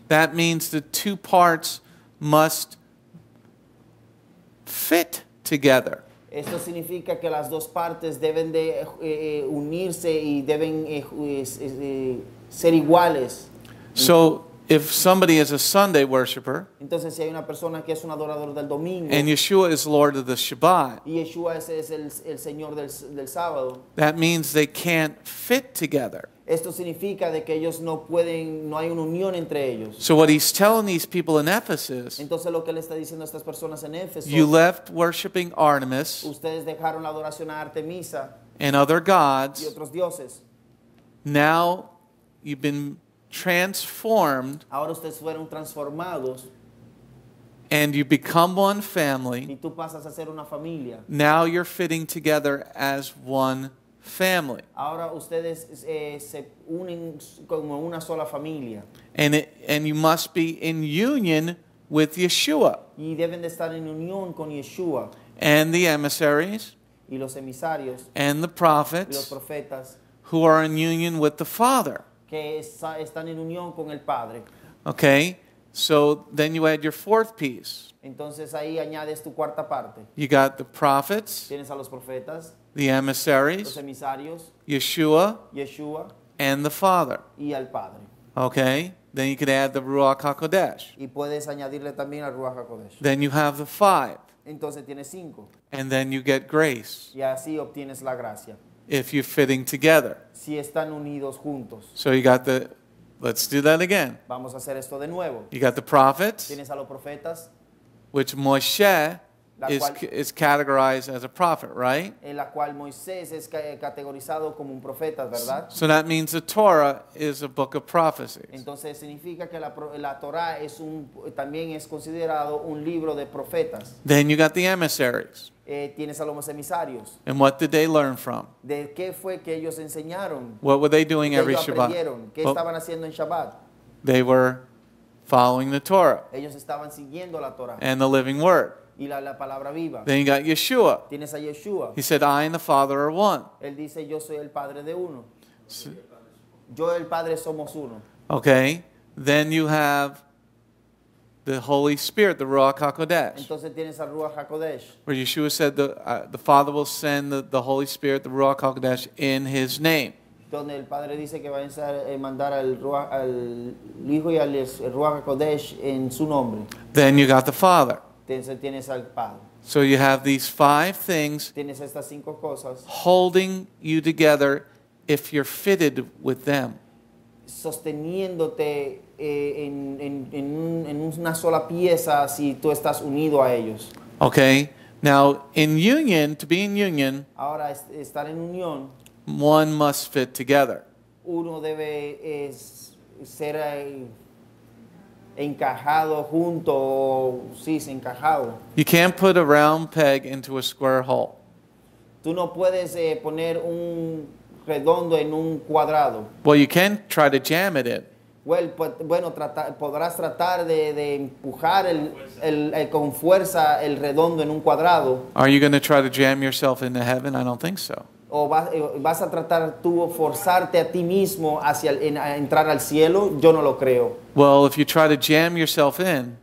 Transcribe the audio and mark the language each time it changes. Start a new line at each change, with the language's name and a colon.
English: That means the two parts must fit together.
Spanish: Esto significa que las dos partes deben de unirse y deben ser iguales.
English: So, if somebody is a Sunday worshiper,
Spanish: entonces si hay una persona que es un adorador del domingo,
English: and Yeshua is Lord of the Shabbat,
Spanish: y Yeshua es el Señor del sábado,
English: that means they can't fit together.
Spanish: Esto significa de que ellos no pueden, no hay una unión entre ellos.
English: So what he's telling these people in Ephesus,
Spanish: entonces lo que le está diciendo a estas personas en Éfeso,
English: you left worshiping Artemis,
Spanish: ustedes dejaron la adoración a Artemisa,
English: and other gods,
Spanish: y otros dioses.
English: Now you've been transformed,
Spanish: ahora ustedes fueron transformados,
English: and you become one family,
Spanish: y tú pasas a ser una familia.
English: Now you're fitting together as one family.
Spanish: Ahora ustedes se unen como una sola familia.
English: And you must be in union with Yeshua.
Spanish: Y deben de estar en unión con Yeshua.
English: And the emissaries.
Spanish: Y los emisarios.
English: And the prophets.
Spanish: Y los profetas.
English: Who are in union with the Father.
Spanish: Que están en unión con el Padre.
English: Okay. So then you add your fourth piece.
Spanish: Entonces ahí añades tu cuarta parte.
English: You got the prophets.
Spanish: Tienes a los profetas.
English: The emissaries,
Spanish: los emisarios,
English: Yeshua, and the Father.
Spanish: Y al Padre.
English: Okay, then you could add the Ruach HaKodesh.
Spanish: Y puedes añadirle también al Ruach HaKodesh.
English: Then you have the five.
Spanish: Entonces tienes cinco.
English: And then you get grace.
Spanish: Y así obtienes la gracia.
English: If you're fitting together.
Spanish: Si están unidos juntos.
English: So you got the, let's do that again.
Spanish: Vamos a hacer esto de nuevo.
English: You got the prophets.
Spanish: Tienes a los profetas.
English: Which Moshe is categorized as a prophet, right?
Spanish: En la cual Moisés es categorizado como un profeta, ¿verdad?
English: So that means the Torah is a book of prophecies.
Spanish: Entonces significa que la Torá es un también es considerado un libro de profetas.
English: Then you got the emissaries.
Spanish: Tienes a los emisarios.
English: And what did they learn from?
Spanish: ¿De qué fue que ellos enseñaron?
English: What were they doing every Shabbat?
Spanish: ¿Qué estaban haciendo en Shabbat?
English: They were following the Torah.
Spanish: Ellos estaban siguiendo la Torá.
English: And the living word.
Spanish: Y la palabra viva.
English: Then you got Yeshua.
Spanish: Tienes a Yeshua.
English: He said, I and the Father are one.
Spanish: Él dice, yo soy el padre de uno. Yo y el padre somos uno.
English: Okay. Then you have the Holy Spirit, the Ruach HaKodesh.
Spanish: Entonces tienes al Ruach HaKodesh.
English: Where Yeshua said the Father will send the Holy Spirit, the Ruach HaKodesh, in his name.
Spanish: Donde el padre dice que va a mandar al hijo y al Ruach HaKodesh en su nombre.
English: Then you got the Father.
Spanish: Tienes al Padre.
English: So you have these five things.
Spanish: Tienes estas cinco cosas
English: holding you together if you're fitted with them.
Spanish: Sosteniéndote en una sola pieza si tú estás unido a ellos.
English: Okay. Now, in union, to be in union,
Spanish: ahora, estar en unión,
English: one must fit together.
Spanish: Uno debe ser encajado junto, sí, encajado.
English: You can't put a round peg into a square hole.
Spanish: Tú no puedes poner un redondo en un cuadrado.
English: Well, you can try to jam it in.
Spanish: Well, podrás tratar de empujar el con fuerza el redondo en un cuadrado.
English: Are you going to try to jam yourself into heaven? I don't think so.
Spanish: ¿O vas a tratar tú forzarte a ti mismo hacia a entrar al cielo? Yo no lo creo.
English: Well, if you try to jam yourself in.